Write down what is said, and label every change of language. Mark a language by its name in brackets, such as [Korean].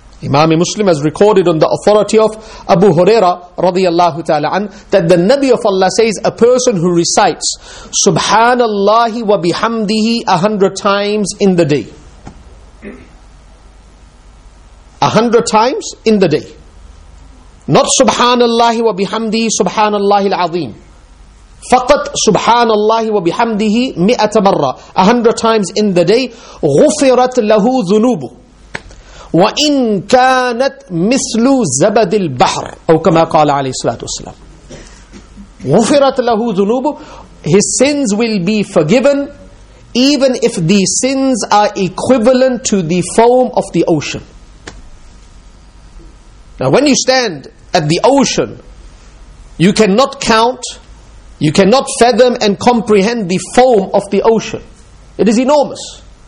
[English] Imam Muslim has recorded on the authority of Abu Huraira radiallahu ta'ala an, that the Nabi of Allah says, a person who recites Subhanallah wa bihamdihi 100 times in the day. 100 times in the day. Not Subhanallah wa bihamdihi Subhanallah al-Azim. [Arabic] فَقَطْ سُبْحَانَ اللَّهِ وَبِحَمْدِهِ [English] 100 times 100 times in the day. [Arabic] غُفِرَتْ لَهُ ذُنُوبُ وَإِنْ كَانَتْ مِثْلُ زَبَدِ الْبَحْرِ أو كما قال عليه الصلاة والسلام. غُفِرَتْ لَهُ ذُنُوبُ, [English] his sins will be forgiven even if the sins are equivalent to the foam of the ocean. Now when you stand at the ocean, you cannot count, you cannot fathom and comprehend the foam of the ocean. It is enormous.